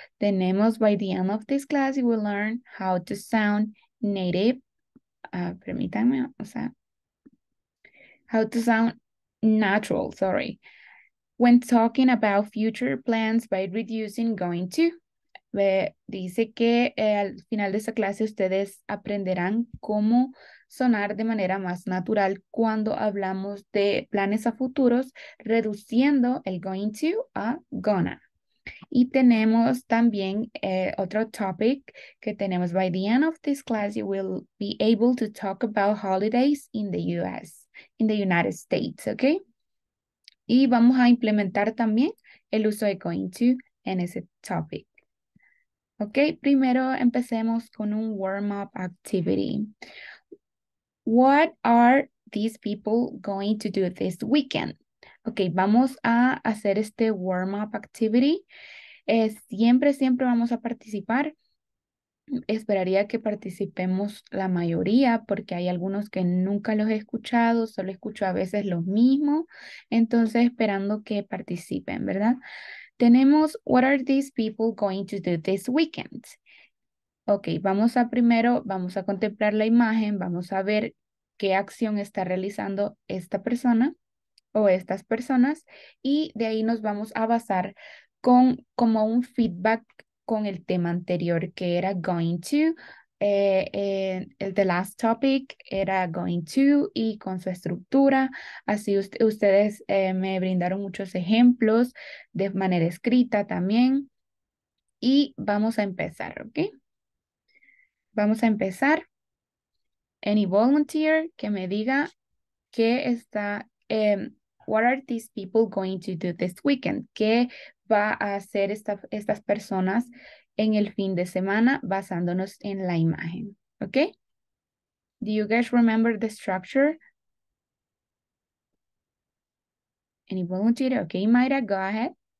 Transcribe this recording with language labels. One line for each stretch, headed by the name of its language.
Spanish: Tenemos
English: by the end of this class, you will learn how to sound native.
Spanish: Permítanme, o sea,
English: how to sound natural, sorry. When talking about future plans by reducing going to.
Spanish: Dice que al final de esta clase ustedes aprenderán cómo sonar de manera más natural cuando hablamos de planes a futuros, reduciendo el going to a gonna. Y tenemos también otro topic que tenemos.
English: By the end of this class, you will be able to talk about holidays in the US, in the United States, ¿ok?
Spanish: Y vamos a implementar también el uso de going to en ese topic. Ok, primero empecemos con un warm-up activity.
English: What are these people going to do this weekend?
Spanish: Ok, vamos a hacer este warm-up activity. Siempre, siempre vamos a participar. Esperaría que participemos la mayoría porque hay algunos que nunca los he escuchado, solo escucho a veces los mismos. Entonces, esperando que participen, ¿verdad? Tenemos,
English: what are these people going to do this weekend?
Spanish: Ok, vamos a primero, vamos a contemplar la imagen, vamos a ver qué acción está realizando esta persona o estas personas y de ahí nos vamos a basar con como un feedback con el tema anterior que era going to,
English: the last topic
Spanish: era going to y con su estructura. Así ustedes me brindaron muchos ejemplos de manera escrita también y vamos a empezar, ¿ok? Vamos a empezar.
English: Any volunteer
Spanish: que me diga qué está
English: What are these people going to do this weekend?
Spanish: ¿Qué va a hacer estas personas en el fin de semana basándonos en la imagen?
English: ¿Ok? Do you guys remember the structure? Any volunteer? Ok, Mayra, go ahead.